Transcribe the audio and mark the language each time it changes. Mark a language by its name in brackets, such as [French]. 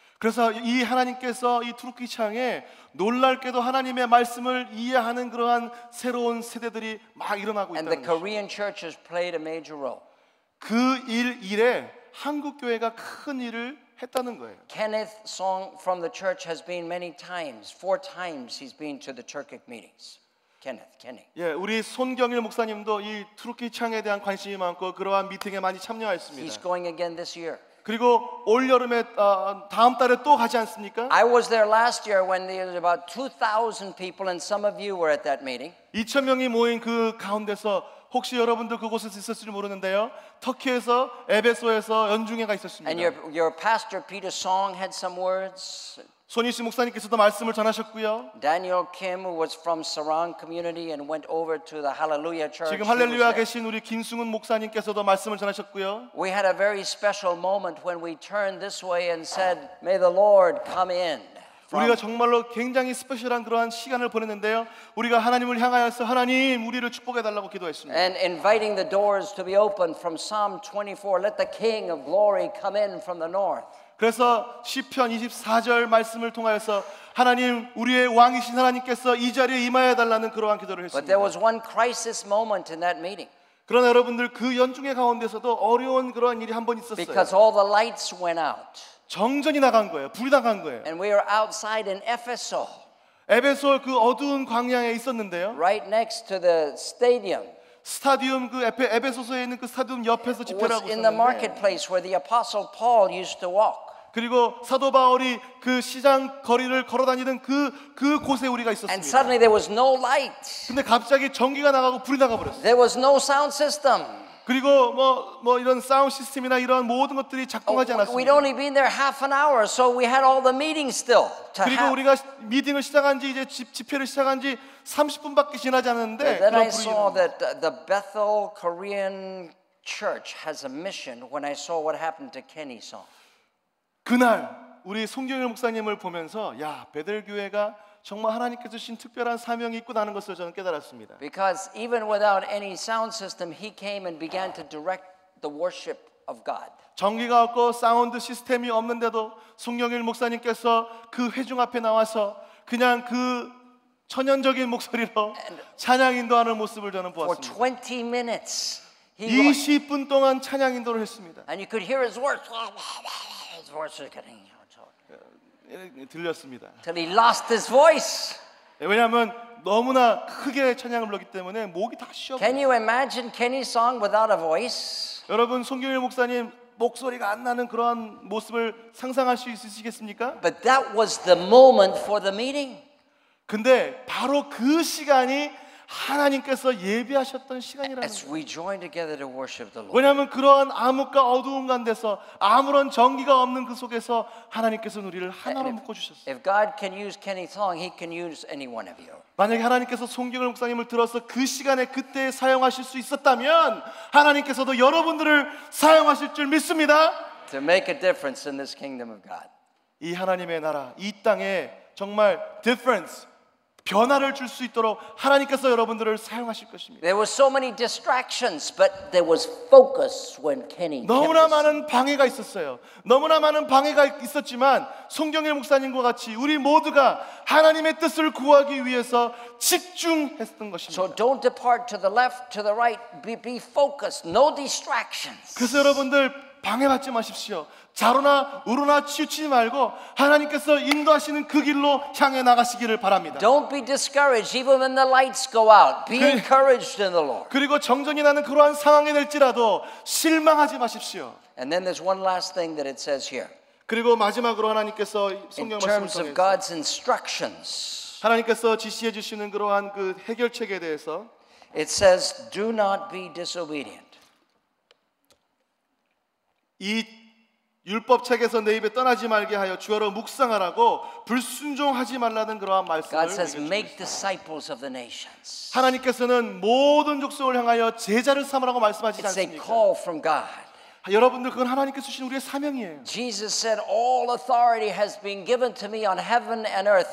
[Korean] 그래서 이 하나님께서 이 투르키 창에 놀랄게도 하나님의 말씀을 이해하는 그러한 새로운 세대들이 막 일어나고 있다. [English] And the Korean church has played a major role. [Korean] 그 일에 한국 교회가 큰 일을 했다는 거예요. [English] Kenneth Song from the church has been many times, four times he's been to the Turkic meetings. Kenneth, Kenny. [Korean] 예, 우리 손경일 목사님도 이 투르키 창에 대한 관심이 많고 그러한 미팅에 많이 참여했습니다. [English] He's going again this year. [Korean] 그리고 올 여름에 다음 달에 또 가지 않습니까? [English] I was there last year when there was about 2,000 people, and some of you were at that meeting. [Korean] 2,000명이 모인 그 가운데서 혹시 여러분도 그곳에서 있었을지 모르는데요. 터키에서 에베소에서 연중회가 있었습니다. [English] And your pastor Peter Song had some words. [Korean] 손희수 목사님께서도 말씀을 전하셨고요. [English] Daniel Kim was from Sarang community and went over to the Hallelujah Church. [Korean] 지금 할렐루야 계신 우리 김승훈 목사님께서도 말씀을 전하셨고요. [English] We had a very special moment when we turned this way and said, "May the Lord come in." [Korean] 우리가 정말로 굉장히 스페셜한 그러한 시간을 보냈는데요. 우리가 하나님을 향하여서 하나님 우리를 축복해 달라고 기도했습니다. [English] And inviting the doors to be opened from Psalm 24, "Let the King of Glory come in from the north." [Korean] 그래서 시편 24절 말씀을 통하여서 하나님 우리의 왕이신 하나님께서 이 자리에 임하여 달라는 그러한 기도를 했습니다. [English] But there was one crisis moment in that meeting. [Korean] 그러나 여러분들 그 연중의 가운데서도 어려운 그러한 일이 한 번 있었어요. [English] Because all the lights went out. [Korean] 정전이 나간 거예요. 불이 나간 거예요. [English] And we are outside in Ephesus. [Korean] 에베소 그 어두운 광야에 있었는데요. [English] Right next to the stadium. [Korean] 스타디움 그 에베소서에 있는 그 스타디움 옆에서 집회하고 있는데. [English] In the marketplace where the apostle Paul used to walk. [Korean] 그리고 사도 바울이 그 시장 거리를 걸어 다니는 그 곳에 우리가 있었습니다. [English] And suddenly there was no light. [Korean] 근데 갑자기 전기가 나가고 불이 나가 버렸어요. [English] There was no sound system. [Korean] 그리고 뭐 이런 사운드 시스템이나 이런 모든 것들이 작동하지 않았습니다. [English] We'd only been there half an hour, so we had all the meetings still. [Korean] 그리고 우리가 미팅을 시작한 지 이제 집회를 시작한 지 30분밖에 지나지 않았는데 [English] Then I saw that the Bethel Korean Church has a mission when I saw what happened to Kenny Song. [Korean] 그날 우리 송경일 목사님을 보면서 야, 베델 교회가 정말 하나님께서 주신 특별한 사명이 있고 나는 것을 저는 깨달았습니다. [English] Because even without any sound system, he came and began to direct the worship of God. [Korean] 전기가 없고 사운드 시스템이 없는데도 송영일 목사님께서 그 회중 앞에 나와서 그냥 그 천연적인 목소리로 찬양 인도하는 모습을 저는 보았습니다. [English] For 20 minutes, he [Korean] 20분 동안 찬양 인도를 했습니다. [English] And you could hear his words. His voice was getting. [Korean] 들렸습니다. [English] Till he lost his voice. [Korean] 네, 왜냐하면 너무나 크게 찬양을 불렀기 때문에 목이 다 쉬어. [English] Can you imagine Kenny's song without a voice? [Korean] 여러분 송경일 목사님 목소리가 안 나는 그러한 모습을 상상할 수 있으시겠습니까? [English] But that was the moment for the meeting. [Korean] 근데 바로 그 시간이 하나님께서 예비하셨던 시간이라는 [English] As we join together to worship the Lord. [Korean] 왜냐하면 그러한 암흑과 어두운 가운데서 아무런 전기가 없는 그 속에서 하나님께서 우리를 하나로 묶어주셨어요. [English] If God can use Kenny Song, He can use any one of you. [Korean] 만약에 하나님께서 송경일 목사님을 들어서 그 시간에 그때 사용하실 수 있었다면 하나님께서도 여러분들을 사용하실 줄 믿습니다. [English] To make a difference in this kingdom of God. [Korean] 이 하나님의 나라, 이 땅에 정말 difference. 변화를 줄 수 있도록 하나님께서 여러분들을 사용하실 것입니다. [English] There were so many distractions, but there was focus when Kenny. [Korean] 너무나 많은 방해가 있었어요. 너무나 많은 방해가 있었지만 송경일 목사님과 같이 우리 모두가 하나님의 뜻을 구하기 위해서 집중했던 것입니다. [English] So don't depart to the left, to the right. Be focused. No distractions. [Korean] 그래서 여러분들 방해받지 마십시오. 자로나 우로나 치우치지 말고 하나님께서 인도하시는 그 길로 향해 나가시기를 바랍니다. [English] Don't be discouraged even when the lights go out. Be encouraged in the Lord. [Korean] 그리고 정전이 나는 그러한 상황이 될지라도 실망하지 마십시오. [English] And then there's one last thing that it says here. [Korean] 그리고 마지막으로 하나님께서 성경 말씀을 통해 [English] In terms of God's instructions. [Korean] 하나님께서 지시해 주시는 그러한 그 해결책에 대해서 [English] It says do not be disobedient. [Korean] 이 율법 책에서 내 입에 떠나지 말게 하여 주여로 묵상하라고 불순종하지 말라는 그러한 말씀을 [English] God says, make disciples of the nations. [Korean] 하나님께서는 모든 족속을 향하여 제자를 삼으라고 말씀하지 않습니까? [English] It's a call from God. [Korean] 여러분들 그건 하나님께서 주신 우리의 사명이에요. [English] Jesus said, all authority has been given to me on heaven and earth.